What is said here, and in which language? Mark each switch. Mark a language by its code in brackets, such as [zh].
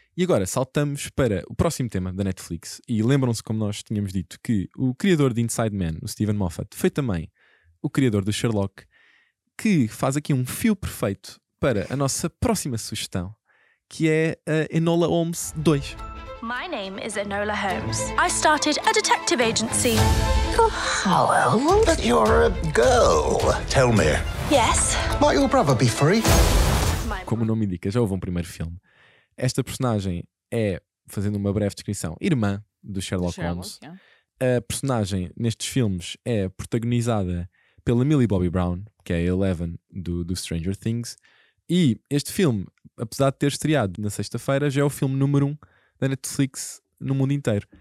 [pt] E agora saltamos para o próximo tema da Netflix. E lembram-se, como nós tínhamos dito, que o criador de Inside Man, o Stephen Moffat, foi também o criador do Sherlock, que faz aqui um fio perfeito para a nossa próxima sugestão, que é a Enola Holmes 2. [en] My name is Enola Holmes. I started a detective agency. How old? But you're a girl. Tell me. Yes. Might your brother be free? [pt] Como o nome indica, já houve um primeiro filme. Esta personagem é, fazendo uma breve descrição, irmã do Sherlock Holmes. Yeah. A personagem nestes filmes é protagonizada pela Millie Bobby Brown, que é a Eleven do Stranger Things. E este filme, apesar de ter estreado na sexta-feira, já é o filme número 1 da Netflix no mundo inteiro.